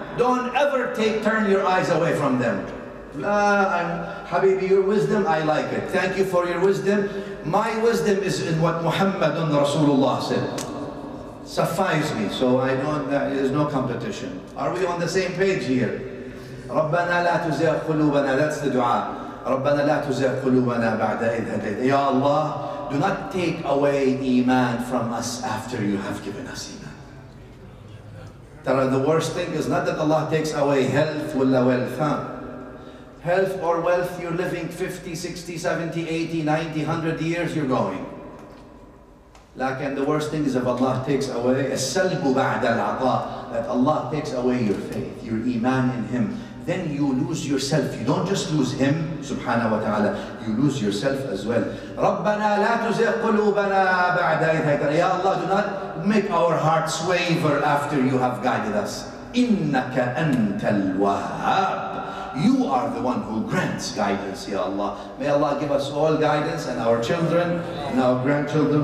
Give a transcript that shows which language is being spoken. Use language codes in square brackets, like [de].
[en] Don't ever turn your eyes away from them. [ar] لا, حبيبي, [en] your wisdom, I like it. Thank you for your wisdom. My wisdom is in what Muhammad [ar] رسول الله [en] said. suffice me, so I don't, there is no competition. Are we on the same page here? [ar] ربنا لا تزغ قلوبنا, [en] that's the dua. [ar] ربنا لا تزغ قلوبنا بعد إذ هديتنا. [en] Ya Allah, do not take away iman from us after you have given us iman. Tara, the worst thing is not that Allah takes away health [ar] ولا [en] wealth. Huh? Health or wealth, you're living 50, 60, 70, 80, 90, 100 years, you're going. [ar] لكن [en] the worst thing is if Allah takes away [ar] السلب بعد العطاء, [en] that Allah takes away your faith, your iman in Him, then you lose yourself. You don't just lose Him, [ar] سبحانه وتعالى, [en] you lose yourself as well. [ar] ربنا لا تزغ قلوبنا بعد إذ هديتنا. [en] Ya Allah, do not make our hearts waver after you have guided us. [ar] إنك أنت الوهاب. [en] You are the one who grants guidance, Ya Allah. May Allah give us all guidance and our children and our grandchildren.